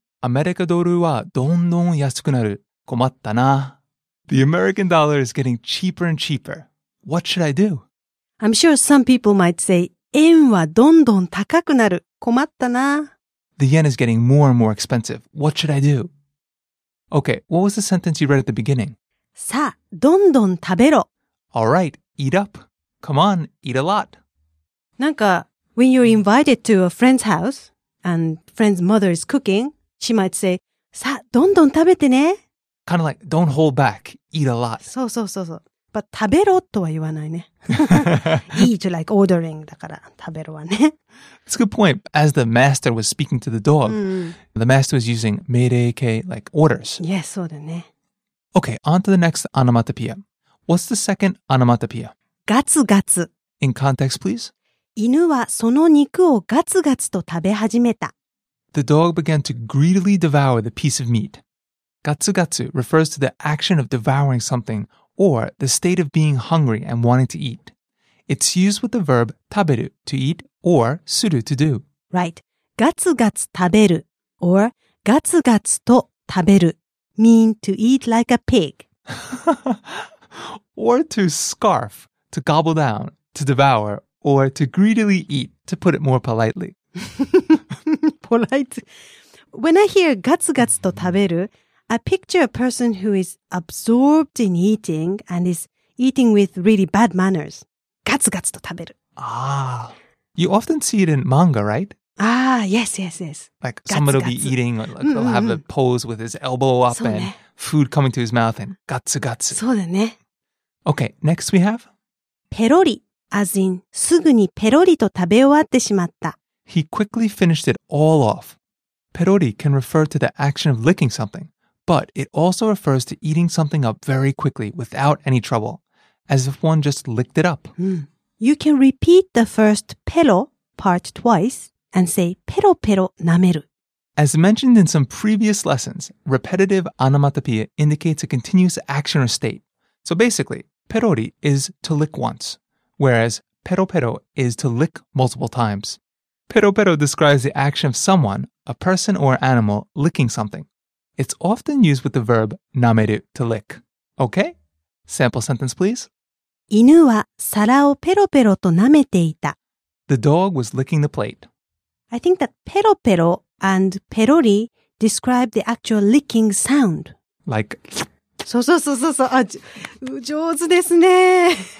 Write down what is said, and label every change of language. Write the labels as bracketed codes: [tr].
[ja] アメリカドルはどんどん安くなる。困ったな。 [en] The American dollar is getting cheaper and cheaper. What should I do? I'm sure some people might say, [ja] 円はどんどん高くなる。困ったな。 [en] The yen is getting more and more expensive. What should I do? Okay, what was the sentence you read at the beginning? [ja] さあ、どんどん食べろ。 [en] All right, eat up. Come on, eat a lot. なんか、when you're invited to a friend's house and friend's mother is cooking, she might say, [ja] さあ、どんどん食べてね。 [en] Kind of like, don't hold back, eat a lot. [ja] そうそうそうそう。But 食べろとは言わないね。 [en] Eat like ordering [ja] だから食べろはね。 [en] That's a good point. As the master was speaking to the dog,、the master was using 命令形 like orders. Yes, [ja] そうだね。 [en] Okay, on to the next onomatopoeia. What's the second onomatopoeia? [ja] ガツガツ。 [en] In context, please. [ja] 犬はその肉をガツガツと食べ始めた。 [en] The dog began to greedily devour the piece of meat. ガツガツ refers to the action of devouring something. Or the state of being hungry and wanting to eat. It's used with the verb 食べる, to eat, or する, to do. Right. [ja] ガツガツ食べる, [en] or [ja] ガツガツと食べる, [en] mean to eat like a pig. Or to scarf, to gobble down, to devour, or to greedily eat, to put it more politely. Polite. When I hear [ja] ガツガツと食べる, [en] I picture a person who is absorbed in eating and is eating with really bad manners. [ja] ガツガツと食べる。 [en] Ah. You often see it in manga, right? Ah, yes, yes, yes. Like ガツガツ. Someone will be eating, like, they'll have a pose with his elbow up and food coming to his mouth and ガツガツ. [ja] そうだね。 [en] Okay, next we have? [ja] ペロリ, [en] as in [ja] すぐにペロリと食べ終わってしまった。 [en] He quickly finished it all off. ペロリ can refer to the action of licking something. but it also refers to eating something up very quickly without any trouble, as if one just licked it up. You can repeat the first pero part twice and say pero pero nameru. As mentioned in some previous lessons, repetitive onomatopoeia indicates a continuous action or state. So basically, perori is to lick once, whereas pero pero is to lick multiple times. Pero pero describes the action of someone, a person or animal, licking something. It's often used with the verb nameru, to lick. Okay? Sample sentence, please. [ja] 犬は皿をペロペロと舐めていた。 [en] The dog was licking the plate. I think that ペロペロ and ペロリ describe the actual licking sound. Like... [ja] そうそうそうそうそう。あ、上手ですね。